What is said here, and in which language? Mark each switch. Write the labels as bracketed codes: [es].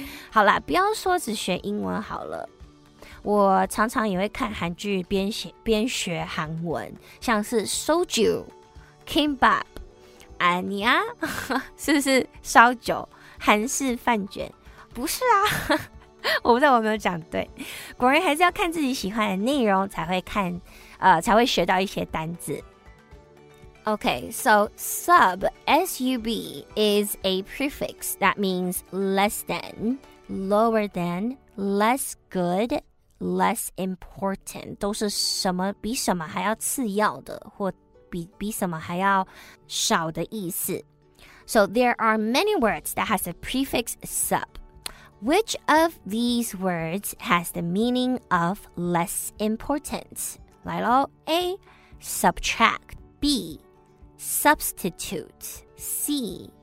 [zh] 好啦，不要说只学英文好了，我常常也会看韩剧边学韩文，像是 Soju、Kimbap、Anya， 是不是烧酒、韩式饭卷？不是啊。我不知道我没有讲对，果然还是要看自己喜欢的内容才会看，才会学到一些单字。 [en] Okay, so sub, S-U-B, is a prefix that means less than, lower than, less good, less important. [zh] 都是什么比什么还要次要的，或比什么还要少的意思。 [en] So there are many words that has a prefix sub. Which of these words has the meaning of less important? [zh] 来咯 [en] A. Subtract B. Substitute C.